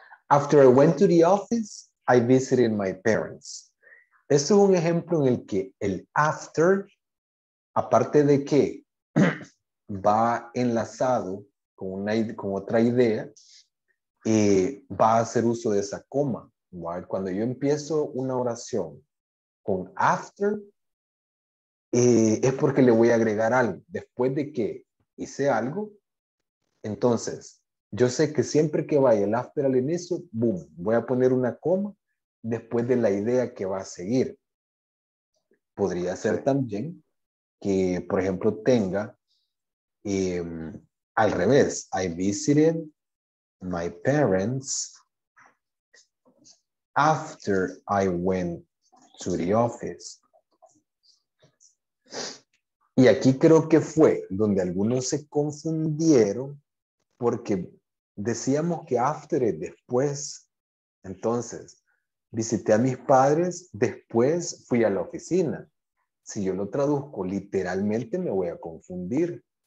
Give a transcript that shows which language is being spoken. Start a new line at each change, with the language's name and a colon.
English: After I went to the office, I visited my parents.
Spanish: Esto es un ejemplo en el que el after, aparte de que va enlazado con una, con otra idea, va a hacer uso de esa coma. ¿Vale? Cuando yo empiezo una oración con after, es porque le voy a agregar algo. Después de que hice algo, entonces, yo sé que siempre que vaya el after al inicio, boom, voy a poner una coma después de la idea que va a seguir. Podría ser también que, por ejemplo, tenga al revés.
English: I visited my parents after I went to the office.
Spanish: Y aquí creo que fue donde algunos se confundieron, porque decíamos que after es después. Entonces, visité a mis padres, después fui a la oficina. Si yo lo traduzco literalmente, me voy a confundir.